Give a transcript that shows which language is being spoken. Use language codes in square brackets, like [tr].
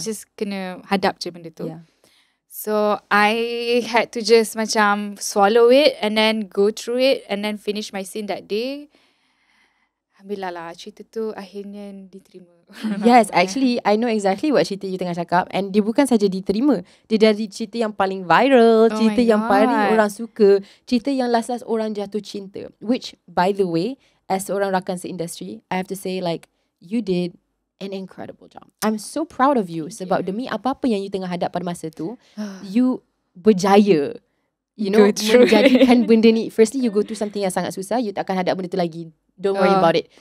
[en] You just [ms] kena hadap je benda tu. [en] Yeah. So I had to just macam swallow it and then go through it and then finish my scene that day. [ms] Alhamdulillah lah, cerita tu akhirnya diterima. [en] Yes, actually I know exactly what cerita you [ms] tengah cakap. And dia bukan saja diterima, dia dari cerita yang paling viral, cerita yang paling orang suka, cerita yang last-last orang jatuh cinta. [en] Which, by the way, as [ms] seorang rakan seindustri, [en] I have to say like, you did an incredible job. I'm so proud of you. [ms] Sebab demi apa-apa yang you tengah hadap pada masa tu, you berjaya. [en] You know, [ms] menjadikan benda ni. [en] Firstly, you go through something [ms] yang sangat susah, [en] you [ms] takkan hadap benda tu lagi. [en] Don't worry about it.